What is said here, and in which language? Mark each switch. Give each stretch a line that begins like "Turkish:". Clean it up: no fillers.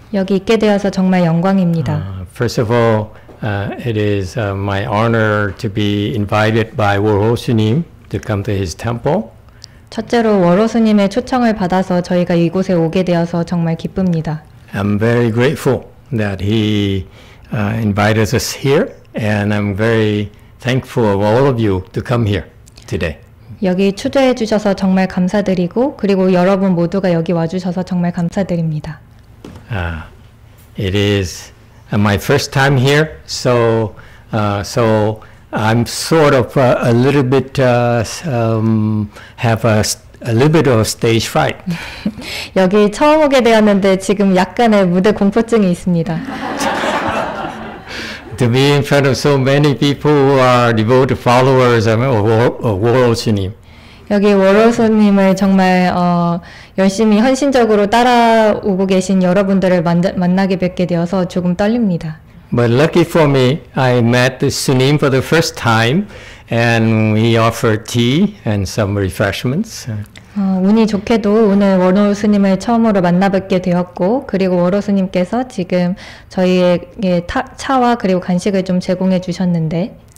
Korean: 여기 있게 되어서 정말 영광입니다.
English: First of all, it is my honor to be invited by Warosu-nim to come to his temple.
Korean: 첫째로 워로스님의 초청을 받아서 저희가 이곳에 오게 되어서 정말 기쁩니다.
English: I'm very grateful that he invited us here, and I'm very thankful of all of you to come here today.
Korean: 여기 초대해 주셔서 정말 감사드리고, 그리고 여러분 모두가 여기 와주셔서 정말 감사드립니다.
English: It is my first time here, so I'm sort of a little bit have a little bit of stage fright.
Korean: 여기 처음 오게 되었는데 지금 약간의 무대 공포증이 있습니다.
English: To be in front of so many people who are devoted followers of Warosu-nim.
Korean: 여기 워로스님을 정말 열심히 헌신적으로 따라오고 계신 여러분들을 만나게 뵙게 되어서 조금 떨립니다.
English: But lucky for me, I met the Sunim for the first time, and he offered tea and some refreshments.
Korean: 운이 좋게도 오늘 워로스님을 처음으로 만나뵙게 되었고, 그리고 워로스님께서 지금 저희에게 차와 그리고 간식을 좀 제공해 주셨는데.